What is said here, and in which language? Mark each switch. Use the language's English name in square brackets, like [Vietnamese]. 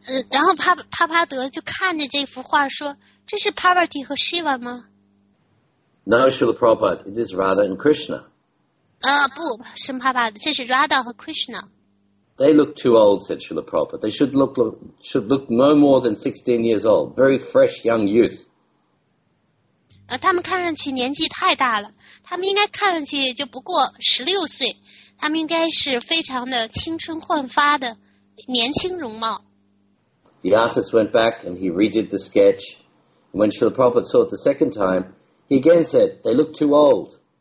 [Chinese] 然后帕帕德就看着这幅画说，这是 Parvati 和 Shiva 吗？ [English] No, Srila Prabhupada, it is Radha and Krishna. [Chinese] 不，是帕帕德，这是 Radha 和 Krishna. [English] They look too old, said Srila Prabhupada. They should look no more than 16 years old. Very fresh young youth. [Chinese] 他们看上去年纪太大了。他们应该看上去就不过16岁。他们应该是非常的青春焕发的年轻容貌。 [English] The artist went back and he redid the sketch. When Srila Prabhupada saw it the second time, he again said, they look too old.